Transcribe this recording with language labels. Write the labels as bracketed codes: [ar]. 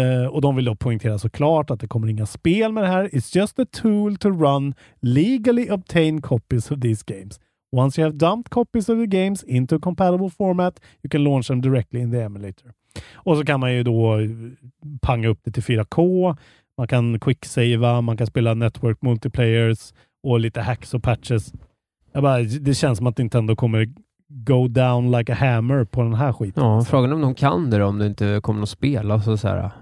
[sv] Och de vill då poängtera såklart att det kommer inga spel med det här. [en] It's just a tool to run legally obtained copies of these games. Once you have dumped copies of the games into a compatible format, you can launch them directly in the emulator. [sv] Och så kan man ju då panga upp det till 4K, man kan quicksava, man kan spela network multiplayers och lite hacks och patches. Jag bara, det känns som att Nintendo kommer [en] go down like a hammer [sv] på den här skiten. Ja, frågan om de kan det då, om det inte kommer att spela så här.